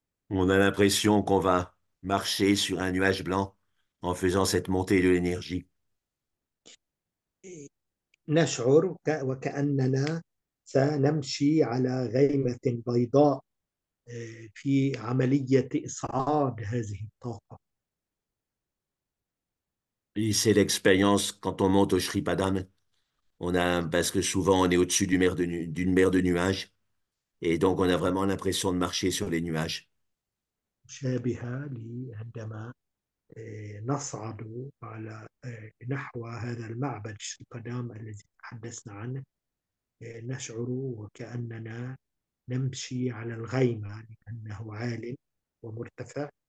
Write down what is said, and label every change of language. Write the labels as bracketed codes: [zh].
[fr] On a l'impression qu'on va marcher sur un nuage blanc en faisant cette montée de l'énergie. [ar] نشعر وكأننا سنمشي على غيمة بيضاء في عملية إصعاد هذه الطاقة. [fr] Et c'est l'expérience quand on monte au Shripadam. On a, parce que souvent on est au-dessus d'une mer de nuages, et donc on a vraiment l'impression de marcher sur les nuages. [ar] مشابهة لي عندما نصعد على نحو هذا المعبد شريبادام الذي تحدثنا عنه، نشعر وكأننا نمشي على الغيمة لأنه عال ومرتفع.